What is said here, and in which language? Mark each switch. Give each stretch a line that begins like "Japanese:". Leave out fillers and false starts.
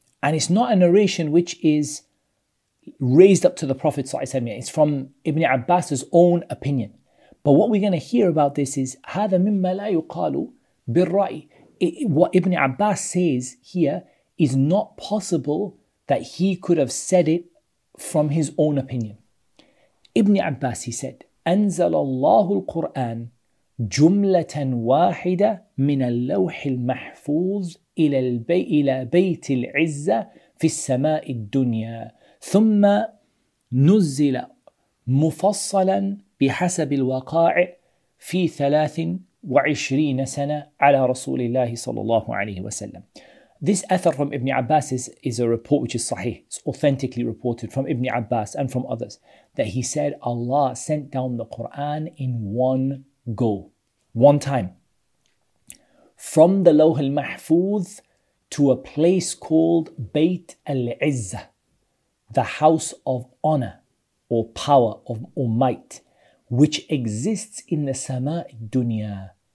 English: And it's not a narration which is raised up to the Prophet Sallallahu Alaihi Wasallam. It's from Ibn Abbas's own opinion. But what we're going to hear about this is
Arabic: هذا مما لا يقال بالرأي.
English: What Ibn Abbas says here is not possible that he could have said it from his own opinion. Ibn Abbas, he said,
Arabic: أنزل الله القرآن جملة واحدة من اللوح المحفوظ إلى بيت العزة في السماء الدنيا ثم نزل مفصلا بحسب الواقع في 23 سنة على رسول الله صلى الله عليه وسلم.
English: This athar from Ibn Abbas is a report which is sahih. It's authentically reported from Ibn Abbas and from others that he said Allah sent down the Quran in one go, one time, from the Lawh al-Mahfuz to a place called Bayt al-Izzah, the house of honor or power of, or might, which exists in the Sama' al-Dunya.